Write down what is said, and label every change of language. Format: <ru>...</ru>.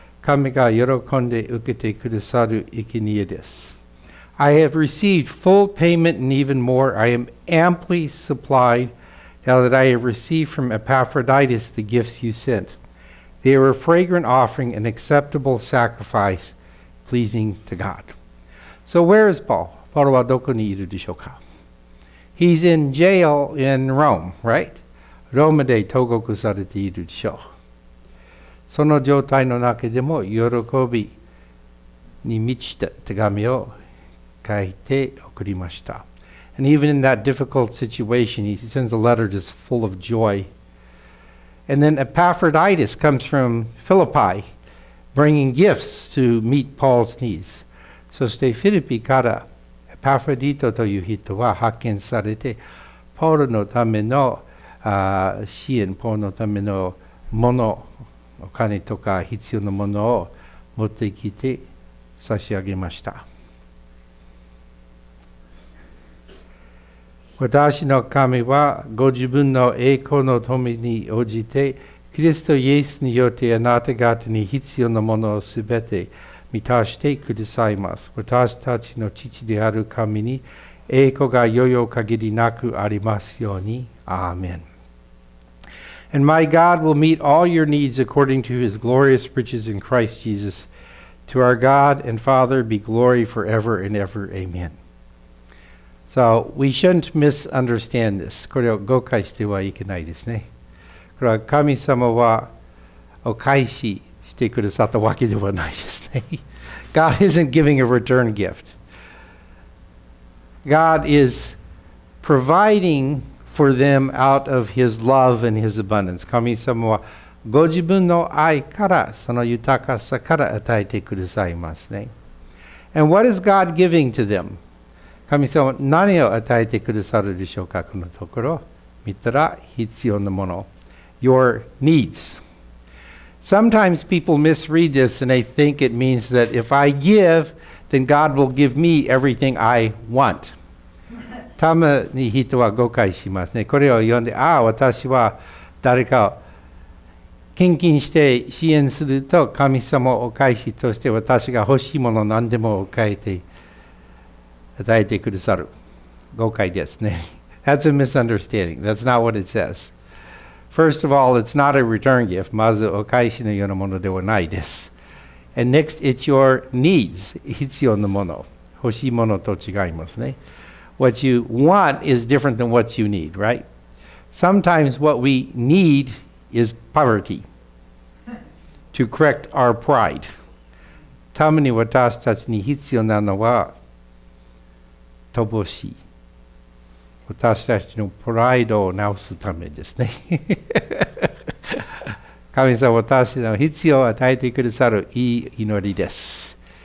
<ja>神が喜んで受けてくださる生贄です。</ja> <en>I have received full payment and even more. I am amply supplied now that I have received from Epaphroditus the gifts you sent. They are a fragrant offering, an acceptable sacrifice, pleasing to God. So where is Paul?</en> <ja>Paul はどこにいるでしょうか?</ja> <en>He's in jail in Rome, right?</en> <ja>ローマで投獄されているでしょう。その状態の中でも喜びに満ちた手紙を書いて送りました。</ja> <en>And even in that difficult situation, he sends a letter just full of joy. And then Epaphroditus comes from Philippi, bringing gifts to meet Paul's needs.</en> <ja>そしてフィリピからエパフロディトという人は派遣されて、ポールのための支援、ポールのためのもの、お金とか必要なものを持ってきて差し上げました。私の神は御自分の栄光の富に応じて、キリストイエスによってあなた方に必要なものをすべて満たしてくださいます。私たちの父である神に栄光が世々限りなくありますように。アーメン。</ja> <en>And my God will meet all your needs according to his glorious riches in Christ Jesus. To our God and Father be glory forever and ever. Amen. So we shouldn't misunderstand this.</en> <ja>これを誤解してはいけないですね。これは神様はお返ししてくださったわけではないですね。</ja> <en>God isn't giving a return gift. God is providing for them out of his love and his abundance.</en> <ja>神様はご自分の愛からその豊かさから与えてくださいますね。</ja> <en>And what is God giving to them?</en> <ja>神様何を与えてくださるでしょうか?このところ見たら必要なもの。</ja> <en>Your needs. Sometimes people misread this and they think it means that if I give, then God will give me everything I want.</en> <ja>たまに人は誤解しますね。これを読んで、ああ、私は誰かを献金して支援すると、神様をお返しとして私が欲しいもの何でも与えてくださる。誤解ですね。</ja> <en>That's a misunderstanding. That's not what it says. First of all, it's not a return gift.</en> <ja>まずお返しのようなものではないです。</ja> <en>And next, it's your needs.</en> <ja>必要なもの。欲しいものと違いますね。</ja> <en>What you want is different than what you need, right? Sometimes what we need is poverty to correct our pride.</en> <ja>たまに私たちに必要なのは乏しい。私たちのプライドを直すためですね。神様、私の必要を与えてくださるいい祈りです。</ja>